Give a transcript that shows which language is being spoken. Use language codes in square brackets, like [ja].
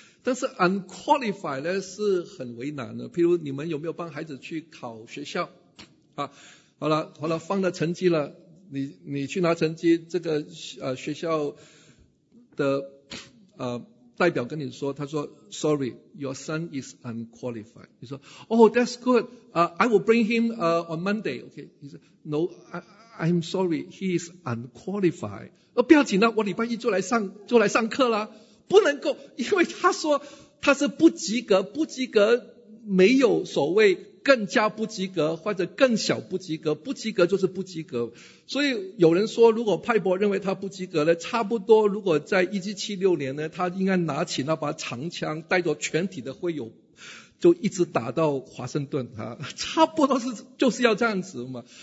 [zh] 但是 unqualified 呢是很为难的，譬如你们有没有帮孩子去考学校啊？好了放了成绩了，你去拿成绩，这个学校的代表跟你说，他说 [en] Sorry, your son is unqualified。 [zh] 你说 [en] Oh, that's good、I will bring him on Monday、okay? He said No, I'm sorry, he is unqualified。 [zh] 不要紧了，我礼拜一就来上课了。不能够，因为他说他是不及格，不及格没有所谓更加不及格或者更小不及格，不及格就是不及格。所以有人说如果派伯认为他不及格呢，差不多如果在1776年呢，他应该拿起那把长枪带着全体的会友就一直打到华盛顿，差不多是就是要这样子嘛。